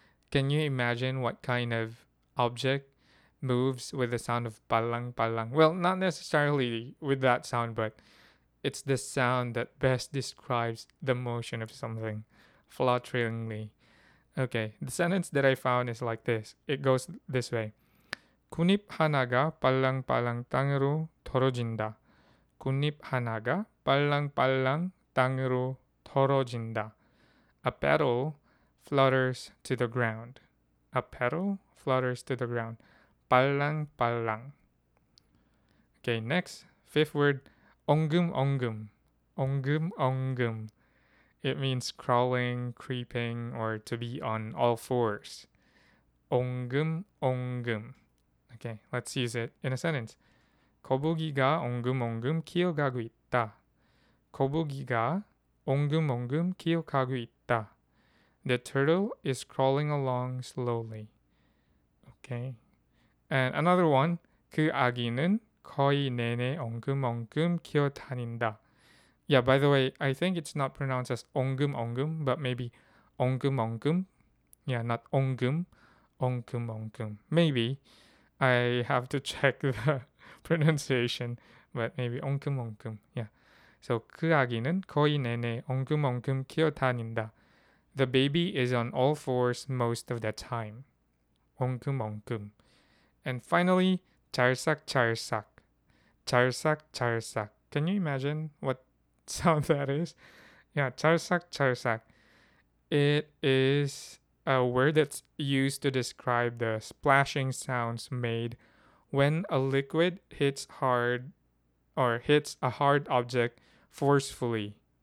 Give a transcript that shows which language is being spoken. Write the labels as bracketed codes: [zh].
[en] Can you imagine what kind of object moves with the sound of 팔랑팔랑? Well, not necessarily with that sound, but it's the sound that best describes the motion of something, flutteringly. Okay, the sentence that I found is like this. It goes this way. [ko] 군잎 하나가 빨랑빨랑 땅으로 떨어진다. 군잎 하나가 빨랑빨랑 땅으로 떨어진다. [en] A petal flutters to the ground. A petal flutters to the ground. 빨랑빨랑. Okay, next. Fifth word. 엉금엉금. 엉금엉금. It means crawling, creeping, or to be on all fours. 엉금엉금. Okay, let's use it in a sentence. [ko] 거북이가 엉금엉금 기어가고 있다. 거북이가 엉금엉금 기어가고 있다. [en] The turtle is crawling along slowly. Okay. And another one. [ko] 그 아기는 거의 내내 엉금엉금 기어다닌다. [en] Yeah, by the way, I think it's not pronounced as 엉금엉금, but maybe 엉금엉금. Yeah, not 엉금. 엉금엉금. Maybe. I have to check the pronunciation, but maybe 엉금엉금. Yeah. So [ko] 그 아기는 거의 내내 엉금엉금 기어다닌다. [en] The baby is on all fours most of the time. 엉금엉금. And finally, 찰싹찰싹. 찰싹찰싹. Can you imagine what sound that is? Yeah, 찰싹찰싹. It is a word that's used to describe the splashing sounds made when a liquid hits a hard object forcefully.